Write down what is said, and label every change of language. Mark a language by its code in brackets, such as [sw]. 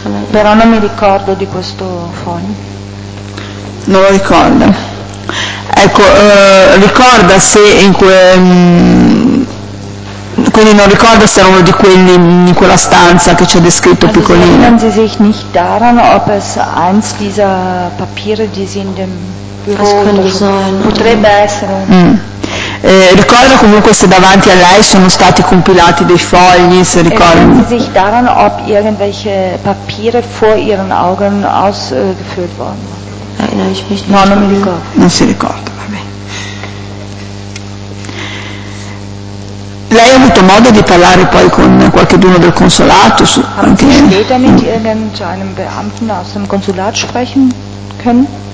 [it] Però non mi ricordo di questo foglio. Non lo ricorda. Ecco, ricorda se in quindi non ricorda se era uno di quelli in quella stanza che ci ha descritto piccolino. [de] Erinnern Sie sich nicht daran, ob es eins dieser Papiere, die Sie in dem Büro [it] potrebbe essere. Ricorda comunque se davanti a lei sono stati compilati dei fogli, se ricorda. [de] Erinnern Sie sich daran, ob irgendwelche Papiere vor Ihren Augen ausgeführt worden sind? [it] No, non mi ricordo. Non si ricorda, va bene. Lei ha avuto modo di parlare poi con qualcheduno del consolato? Anche lei? [de] Sie später mit irgendeinem Beamten aus dem Konsulat sprechen können?